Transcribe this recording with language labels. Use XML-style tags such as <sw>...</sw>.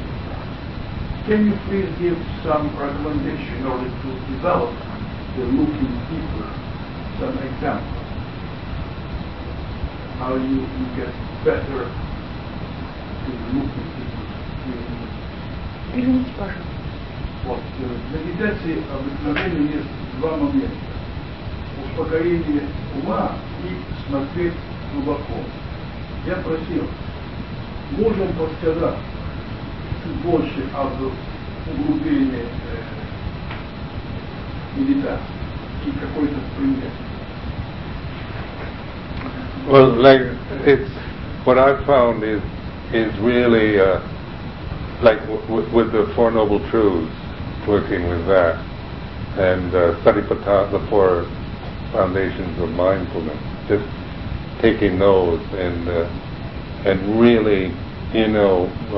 <en>Can you please give some recommendation in order to develop the looking deeper, some example, how you get better to looking deeper?</en> <ru>Вот, медитации обыкновения есть два момента. Успокоение ума и смотреть глубоко. Я просил, можем подсказать чуть больше об углублении медитации и какой-то пример.</ru> <en>Well, like it's what I've found is really like with the Four Noble Truths, working with that and Satipatthana, the four foundations of mindfulness, just taking those and really, you know,</en>